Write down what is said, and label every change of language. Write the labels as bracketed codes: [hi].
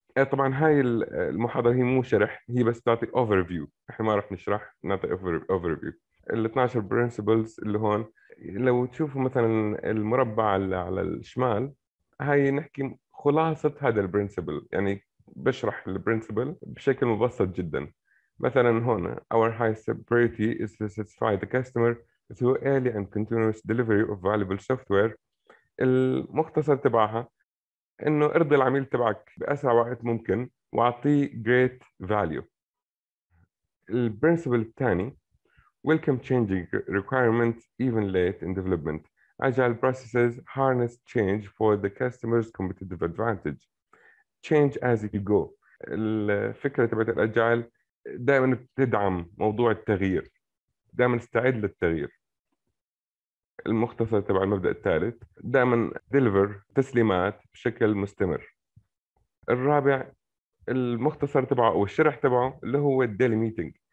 [ar] طبعا هاي المحاضره هي مو شرح، هي بس تعطي اوفر فيو، احنا ما راح نشرح، نعطي اوفر فيو. ال 12 برنسبلز اللي هون لو تشوفوا مثلا المربع اللي على الشمال، هاي نحكي خلاصه هذا البرنسبل، يعني بشرح البرنسبل بشكل مبسط جدا. مثلا هنا [en] our highest priority is to satisfy the customer through early and continuous delivery of valuable software. [ar] المختصر تبعها انه ارضي العميل تبعك باسرع وقت ممكن واعطيه [en] great value. [ar] البرنسبل الثاني [en] welcome changing requirements even late in development. agile processes harness change for the customer's competitive advantage. change as you go. [ar] الفكره تبعت الاجايل دائما بتدعم موضوع التغيير، دائما استعد للتغيير. المختصر تبع المبدا الثالث دائما deliver تسليمات بشكل مستمر. الرابع المختصر تبعه او الشرح تبعه اللي هو [en] daily meeting.